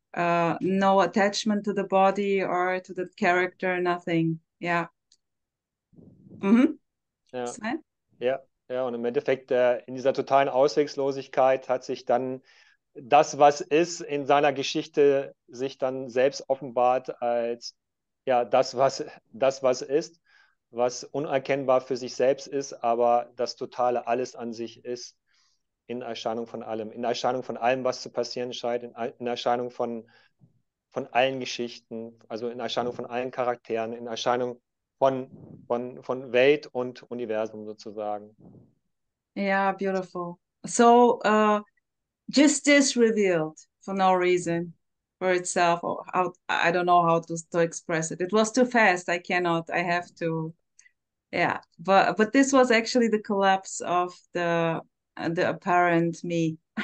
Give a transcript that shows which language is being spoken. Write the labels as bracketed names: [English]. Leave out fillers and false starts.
[English] No attachment to the body or to the character, nothing. Yeah. [German] Ja. Sven? Ja, und im Endeffekt, in dieser totalen Ausweglosigkeit hat sich dann das, was ist, in seiner Geschichte sich dann selbst offenbart als ja, das, was ist, was unerkennbar für sich selbst ist, aber das totale Alles an sich ist, in Erscheinung von allem, in Erscheinung von allem, was zu passieren scheint, in Erscheinung von allen Geschichten, also in Erscheinung von allen Charakteren, in Erscheinung von Welt und Universum sozusagen. [English] Yeah, beautiful. So, just this revealed for no reason for itself. Or how, I don't know how to express it. It was too fast. I cannot. I have to. Yeah, but this was actually the collapse of the apparent me.